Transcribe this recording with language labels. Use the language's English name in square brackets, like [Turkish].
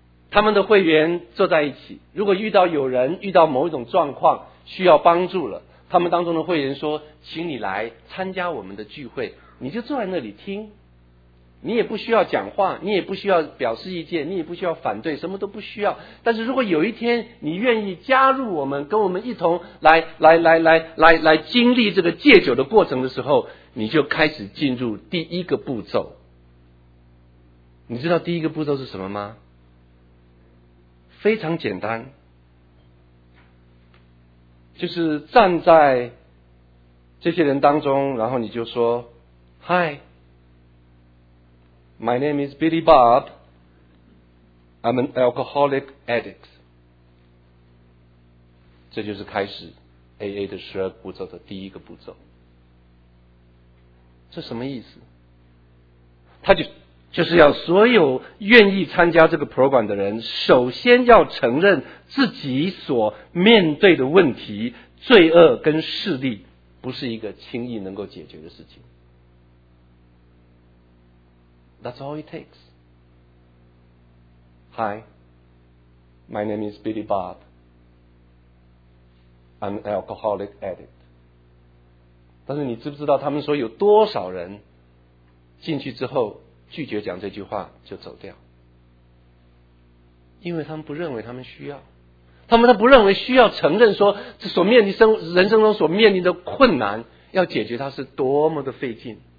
[Chinese] 他们的会员坐在一起，如果遇到有人遇到某一种状况需要帮助了，他们当中的会员说，请你来参加我们的聚会，你就坐在那里听，你也不需要讲话，你也不需要表示意见，你也不需要反对，什么都不需要。但是如果有一天你愿意加入我们，跟我们一同来经历这个戒酒的过程的时候，你就开始进入第一个步骤。你知道第一个步骤是什么吗？非常简单，就是站在这些人当中，然后你就说 [English] Hi, my name is Billy Bob, I'm an alcoholic addict. [Chinese] 这就是开始 AA 的十二步骤的第一个步骤。这什么意思？他就是要所有愿意参加这个 program 的人，首先要承认自己所面对的问题，罪恶跟势力不是一个轻易能够解决的事情。 [English] That's all it takes. Hi, my name is Billy Bob, I'm an alcoholic addict. [Chinese] 但是你知不知道他们说有多少人进去之后拒绝讲这句话就走掉？因为他们不认为他们需要，他们都不认为需要承认说这所面临人生中所面临的困难要解决它是多么的费劲。